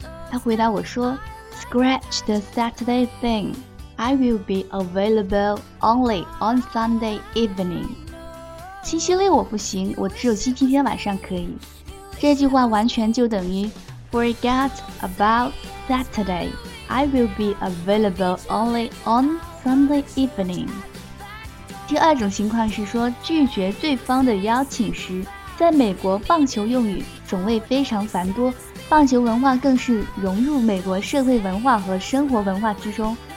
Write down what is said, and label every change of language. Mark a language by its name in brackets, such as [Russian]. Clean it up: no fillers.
[Chinese] 他回答我说 [English] Scratch the Saturday thing. I will be available only on Sunday evening. [Chinese] 星期六我不行，我只有星期天晚上可以。这句话完全就等于 [English] Forget about Saturday. I will be available only on Sunday evening. [Chinese] 第二种情况是说拒绝对方的邀请时，在美国棒球用语种类非常繁多，棒球文化更是融入美国社会文化和生活文化之中。